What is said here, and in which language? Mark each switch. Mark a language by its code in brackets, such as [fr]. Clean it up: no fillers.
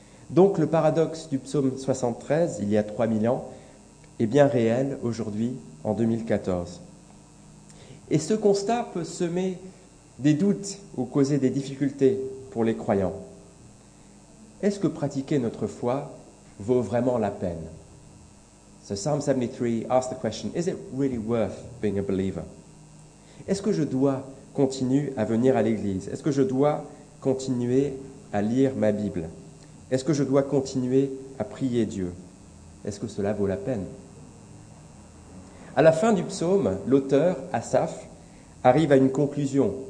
[fr] Donc le paradoxe du psaume 73, il y a 3000 ans, est bien réel aujourd'hui, en 2014. Et ce constat peut semer des doutes ou causer des difficultés pour les croyants. Est-ce que pratiquer notre foi vaut vraiment la peine? [en] So Psalm 73 asks the question, is it really worth being a believer? [fr] Est-ce que je dois continuer à venir à l'église? Est-ce que je dois continuer à lire ma Bible? Est-ce que je dois continuer à prier Dieu? Est-ce que cela vaut la peine? À la fin du psaume, l'auteur, Asaph, arrive à une conclusion.